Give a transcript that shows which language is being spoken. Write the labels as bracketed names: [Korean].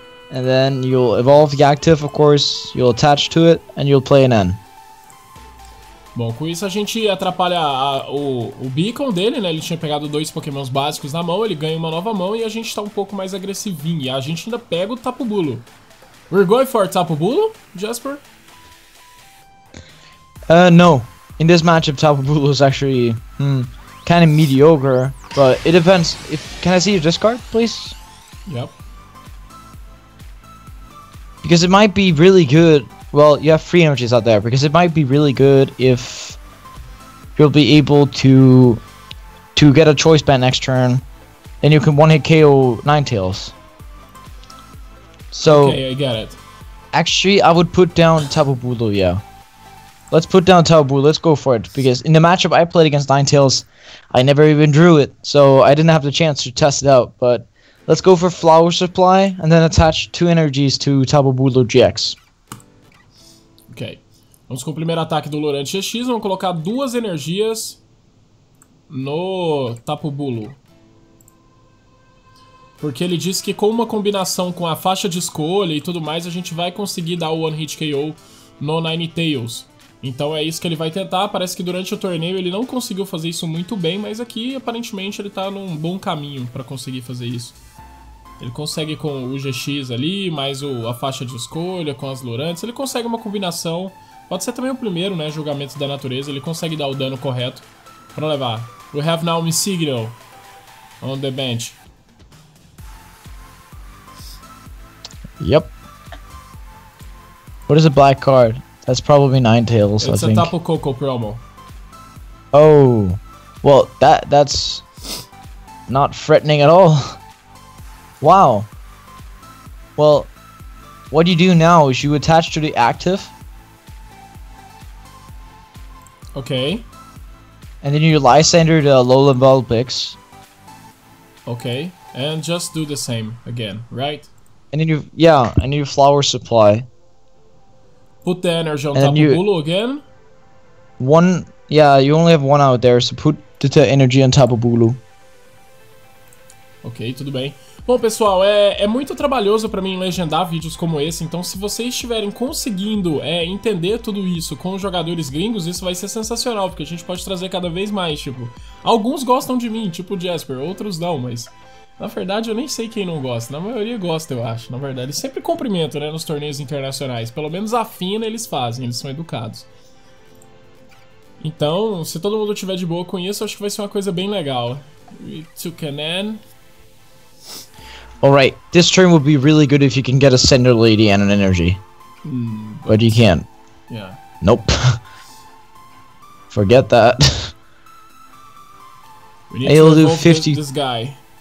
[English] And then you'll evolve Yagtif, of course, you'll attach to it, and you'll play an N. [Portuguese] Bom, com isso a gente atrapalha o Beacon dele, né? Ele tinha pegado 2 pokémons básicos na mão, ele ganha uma nova mão e a gente tá um pouco mais agressivinho. E a gente ainda pega o Tapu Bulu. [English] We're going for Tapu Bulu, Jasper? No. In this matchup, Tapu Bulu is actually kind of mediocre, but it depends. If can I see your discard, please? Yep. Because it might be really good. Well, you have free energies out there, because it might be really good if you'll be able to get a choice ban next turn, and you can one-hit KO Ninetales. So, okay, I get it. Actually, I would put down Tapu Bulu, yeah. Let's put down Tapu Bulu, let's go for it, because in the matchup I played against Ninetales, I never even drew it, so I didn't have the chance to test it out, but let's go for Flower Supply, and then attach two energies to Tapu Bulu GX. [Portuguese] Ok, vamos com o primeiro ataque do Lurant GX, vamos colocar duas energias no Tapu Bulu. Porque ele disse que com uma combinação com a faixa de escolha e tudo mais, a gente vai conseguir dar o One Hit KO no Ninetales. Então é isso que ele vai tentar, parece que durante o torneio ele não conseguiu fazer isso muito bem, mas aqui aparentemente ele tá num bom caminho para conseguir fazer isso. Ele consegue com o GX ali, mais a faixa de escolha, com as Lurantes, ele consegue uma combinação. Pode ser também o primeiro, né, julgamento da natureza, ele consegue dar o dano correto para levar. [English] We have now my signal on the bench. Yep. What is a black card? That's probably Ninetales, it's I think. It's a Tapu Koko promo. Oh. Well, that's not threatening at all. Wow. Well, what you do now is you attach to the active. Okay. And then you Lysander the Alolan Vulpix. Okay. And just do the same again, right? And then you, yeah, and you Flower Supply. Put the energy on Tapu Bulu again. One, yeah, you only have one out there, so put the energy on Tapu Bulu. [Portuguese] Ok, tudo bem. Bom, pessoal, é muito trabalhoso pra mim legendar vídeos como esse, então se vocês estiverem conseguindo entender tudo isso com os jogadores gringos, isso vai ser sensacional, porque a gente pode trazer cada vez mais, tipo... Alguns gostam de mim, tipo o Jasper, outros não, mas... Na verdade, eu nem sei quem não gosta. Na maioria gosta, eu acho, na verdade. Eles sempre cumprimentam, né, nos torneios internacionais. Pelo menos a fina eles fazem, eles são educados. Então, se todo mundo tiver de boa com isso, acho que vai ser uma coisa bem legal. [English] We took an N. Alright, this turn would be really good if you can get a Cinder Lady and an energy. But you can't. Yeah. Nope. Forget that. We need to evolve 50... this guy.